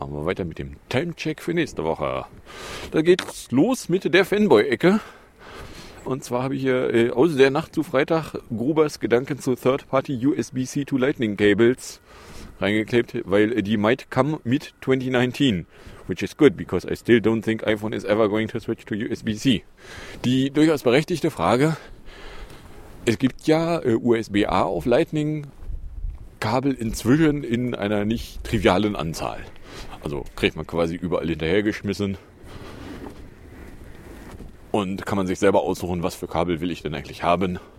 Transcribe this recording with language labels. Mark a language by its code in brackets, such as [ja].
[de] Machen wir weiter mit dem Timecheck für nächste Woche. Da geht's los mit der Fanboy-Ecke. Und zwar habe ich hier aus der Nacht zu Freitag Grubers Gedanken zu Third-Party USB-C to Lightning Cables reingeklebt, weil die [en] might come mid 2019. Which is good, because I still don't think iPhone is ever going to switch to USB-C. [de] Die durchaus berechtigte Frage, es gibt ja USB-A auf Lightning Kabel inzwischen in einer nicht trivialen Anzahl. Also kriegt man quasi überall hinterhergeschmissen und kann man sich selber aussuchen, was für Kabel will ich denn eigentlich haben.